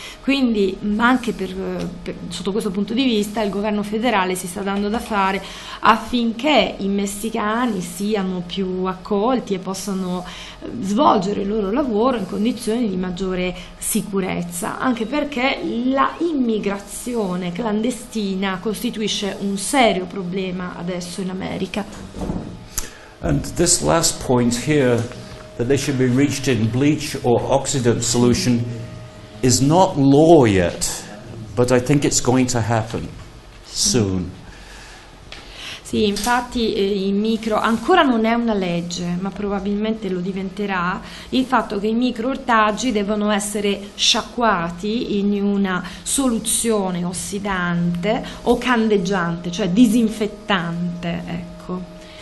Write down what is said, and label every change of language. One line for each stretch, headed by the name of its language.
Italian: Quindi anche per sotto questo punto di vista il governo federale si sta dando da fare affinché i messicani siano più accolti e possano svolgere il loro lavoro in condizioni di maggiore sicurezza, anche perché la immigrazione clandestina costituisce un serio problema adesso in America.
English: And this last point here, that they should be reached in bleach or oxidant solution, is not law yet, but I think it's going to happen soon.
Italian: Sì, infatti i micro ancora non è una legge, ma probabilmente lo diventerà, il fatto che i microortaggi devono essere sciacquati in una soluzione ossidante o candeggiante, cioè disinfettante, ecco.